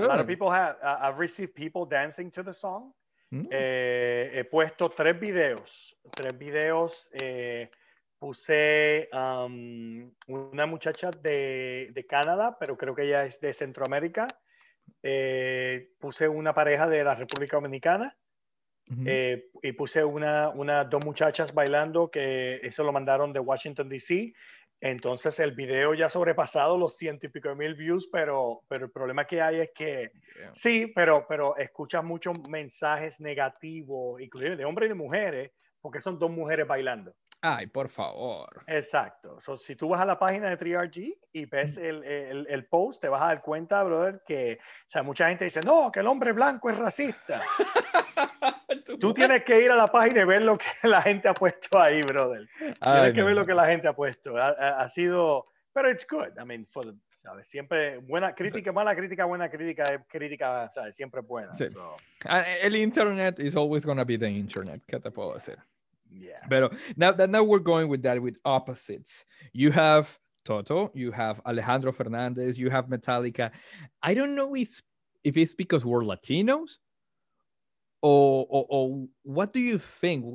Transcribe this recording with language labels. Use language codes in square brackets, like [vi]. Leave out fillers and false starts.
[en] A lot of people have received people dancing to the song. [es] He puesto tres videos, puse una muchacha de Canadá, pero creo que ella es de Centroamérica, puse una pareja de la República Dominicana, y puse dos muchachas bailando, que eso lo mandaron de Washington D.C., entonces el video ya ha sobrepasado los 100,000+ views, pero el problema que hay es que, sí, pero escuchas muchos mensajes negativos, inclusive de hombres y de mujeres, porque son dos mujeres bailando. Ay, por favor. Exacto. So, si tú vas a la página de 3RG y ves el post, te vas a dar cuenta, brother, que, o sea, mucha gente dice, no, que el hombre blanco es racista. Tú tienes que ir a la página y ver lo que la gente ha puesto ahí, brother. Tienes que ver lo que la gente ha puesto. Ha sido, pero [en] it's good. I mean, for the, [es] ¿sabes? Siempre buena crítica, mala crítica, buena crítica, crítica, ¿sabes? Siempre buena. Sí. So. [en] El internet is always going to be the internet. [es] ¿Qué te puedo decir? [en] Yeah. But now we're going with that, with opposites. You have Toto, you have Alejandro Fernandez, you have Metallica. I don't know if it's because we're Latinos or what do you think?